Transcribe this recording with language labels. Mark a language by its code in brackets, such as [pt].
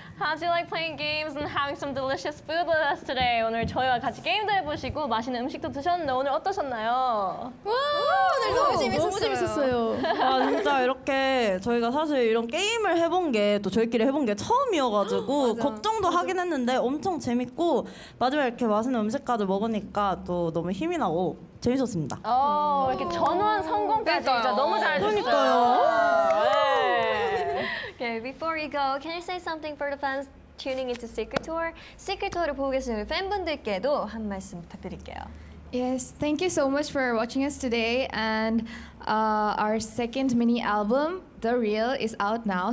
[en] How do you like playing games and having some delicious food with us today? [ko] 오늘 저희와 같이 게임도 해보시고 맛있는 음식도 드셨는데 오늘 어떠셨나요? 와, 오늘 너무 재밌었어요. 너무 재밌었어요. 아, 진짜 이렇게 저희가 사실 이런 게임을 해본 게 또 저희끼리 해본 게 처음이어가지고 걱정도 하긴 했는데 엄청 재밌고 마지막에 이렇게 맛있는 음식까지 먹으니까 또 너무 힘이 나고 재밌었습니다. 오, 이렇게 전원 성공까지 진짜 너무 잘했어요. 그러니까요. [en] 네. Okay, before we go, can you say something for the fans tuning into Secret Tour? [ko] Secret Tour를 보고 계신 우리 팬분들께도 한 말씀 부탁드릴게요. [en] Yes, thank you so much for watching us today. And our second mini album, The Real, is out now.